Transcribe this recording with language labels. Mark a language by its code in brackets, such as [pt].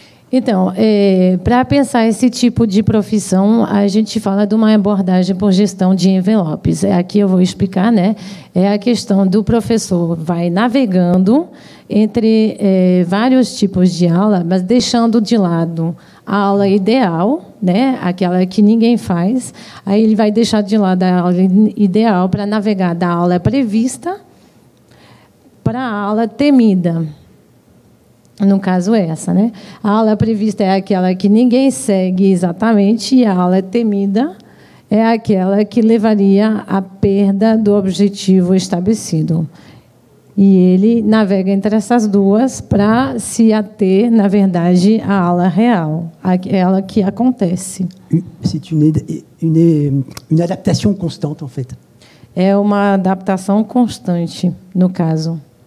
[pt] Então, para pensar esse tipo de profissão, a gente fala de uma abordagem por gestão de envelopes. Aqui eu vou explicar, né? É a questão do professor vai navegando entre vários tipos de aula, mas deixando de lado a aula ideal, né? Aquela que ninguém faz. Aí ele vai deixar de lado a aula ideal para navegar da aula prevista para a aula temida. No caso, essa, né? A aula prevista é aquela que ninguém segue exatamente e a aula temida é aquela que levaria à perda do objetivo estabelecido. E ele navega entre essas duas para se ater, na verdade, à aula real, aquela que acontece. [fr] C'est une adaptation constante, en fait. [pt] É uma adaptação constante, no caso.